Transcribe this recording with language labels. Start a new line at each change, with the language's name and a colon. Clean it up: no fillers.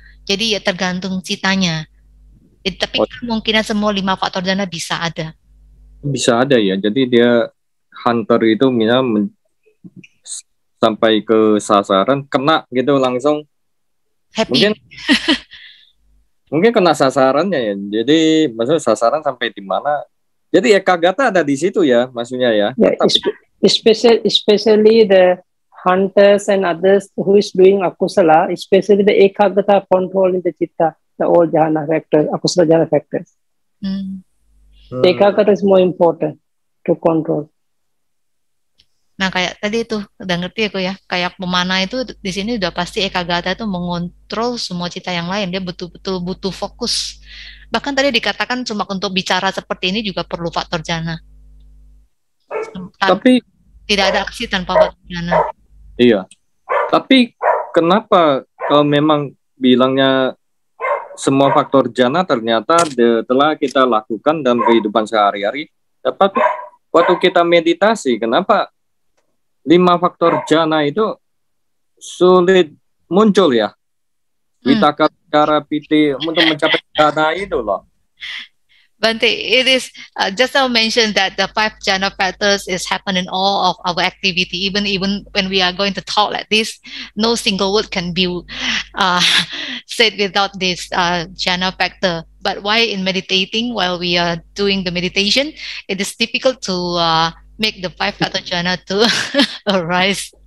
Indonesian: Jadi ya tergantung citanya. Tapi kemungkinan semua 5 faktor jana bisa ada. Bisa ada ya, jadi dia hunter itu misalnya sampai ke sasaran, kena gitu langsung.
English: Happy.
Indonesian: Mungkin kena sasarannya ya. Jadi, maksudnya sasaran sampai di mana. Jadi, ekagata ada di situ ya, maksudnya ya.
English: Yeah, especially the hunters and others who is doing akusala, especially the ekagata controlling the citta, the old jhana factors, akusala jhana factors. Ekagata is more important to control.
Indonesian: Nah kayak tadi itu udah ngerti aku ya, kayak pemana itu di sini udah pasti ekagata itu mengontrol semua cita yang lain, dia betul-betul butuh fokus. Bahkan tadi dikatakan cuma untuk bicara seperti ini juga perlu faktor jana, tapi tidak ada aksi tanpa faktor jana. Iya, tapi kenapa kalau memang bilangnya semua faktor jana ternyata telah kita lakukan dalam kehidupan sehari-hari, dapat waktu kita meditasi, kenapa 5 faktor jana itu sulit muncul ya? Witaka cara piti untuk mencapai jana itu loh.
English: Bante, it is just now mentioned that the 5 jana factors is happen in all of our activity. Even when we are going to talk like this, no single word can be said without this jana factor. But why in meditating, while we are doing the meditation, it is difficult to make the 5 factor jhana to arise.